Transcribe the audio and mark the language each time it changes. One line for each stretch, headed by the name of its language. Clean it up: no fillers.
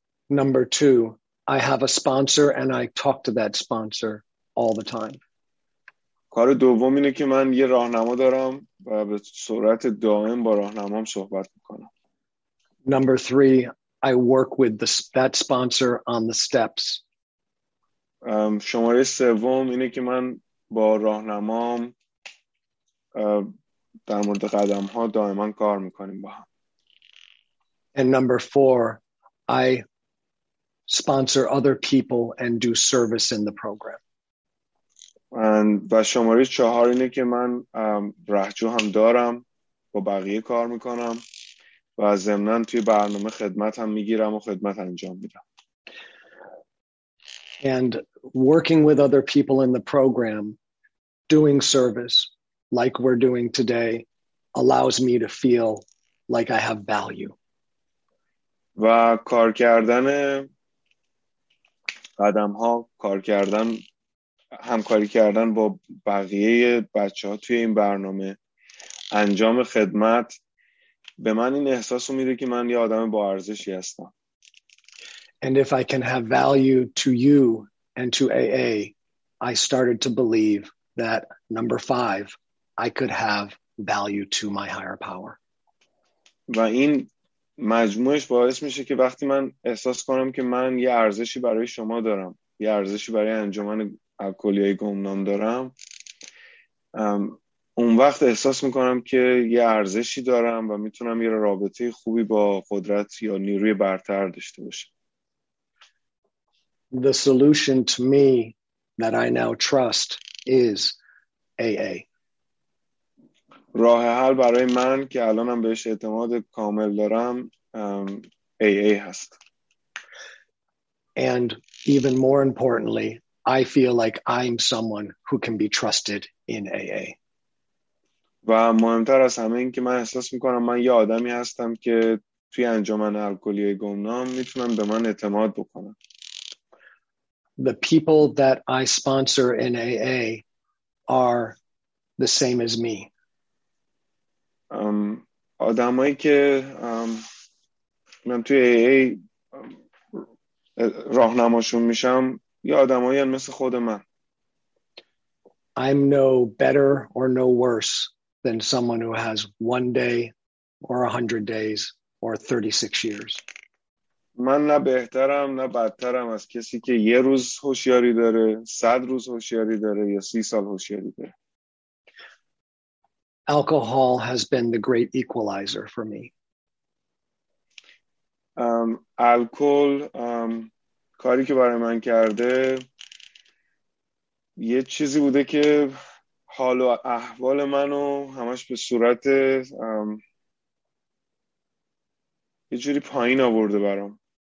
English: Number two, I have a sponsor and I talk to that sponsor all the time.
Persian: کار دوم اینه که من یه راهنما دارم و به صورت دائم با راهنمام صحبت میکنم.
English: Number three, I work with that sponsor on the steps.
Persian: شماره سوم اینه که من با راهنمام در مورد قدم ها دائما کار میکنیم با هم.
English: And number four, I sponsor other people and do service in the program.
Persian: و شماره چهار اینه که من رهجو هم دارم با بقیه کار میکنم و ضمناً توی برنامه خدمت هم میگیرم و خدمت انجام میدم.
English: And working with other people in the program, doing service like we're doing today, allows me to feel like I have value.
Persian: و کار کردن قدم ها، کار کردن، همکاری کردن با بقیه بچه ها توی این برنامه، انجام خدمت به من این احساس رو میده که من یه آدم با ارزشی هستم.
English: And if I can have value to you and to AA, I started to believe that number five, I could have value to my higher power.
Persian: و این مجموعش باعث میشه که وقتی من احساس کنم که من یه ارزشی برای شما دارم، یه ارزشی برای انجمن الکلیای گمنام دارم، اون وقت احساس میکنم که یه ارزشی دارم و میتونم یه رابطه خوبی با قدرت یا نیروی برتر داشته باشم.
English: The solution to me that I now trust is AA.
Persian: راه حل برای من که الانم بهش اعتماد کامل دارم AA هست.
English: And even more importantly, I feel like I'm someone who can be trusted in AA.
Persian: و مهمتر از همه این که من احساس میکنم من یه آدمی هستم که توی انجمن الکلی گمنام میتونم به من اعتماد بکنم.
English: The people that I sponsor in AA are the same as me.
Persian: آدمایی که من توی AA راهنماشون میشم یه آدمایی هم مثل خود من.
English: I'm no better or no worse than someone who has one day or 100 days or 36 years.
Persian: من نه بهترم نه بدترم از کسی که یه روز هوشیاری داره، 100 روز هوشیاری داره یا 30 سال هوشیاری داره.
English: Alcohol has been the great equalizer for me.
Persian: الکل کاری که برای من کرده یه چیزی بوده که حال و احوال منو همش به صورت یه جوری پایین آورده برام.